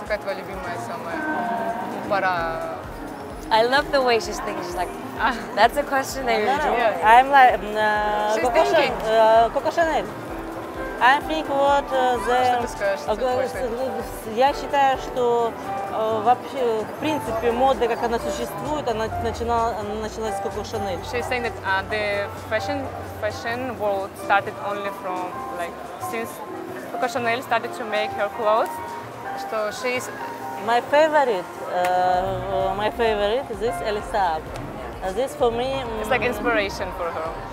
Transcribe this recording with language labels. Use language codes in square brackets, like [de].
[ru] Какая твоя любимая самая пора? [en] I love the way she's thinking. She's like, that's a question they really enjoy. Yeah. I'm like, she's thinking. Coco Chanel. I think what the... [ru] Я считаю, что вообще, в принципе, мода, как она существует, она началась с Coco Chanel. [en] She's saying that the fashion world started only from, like, since Coco Chanel started to make her clothes, so she's... My favorite is this Elisa. This for me... It's like inspiration for her.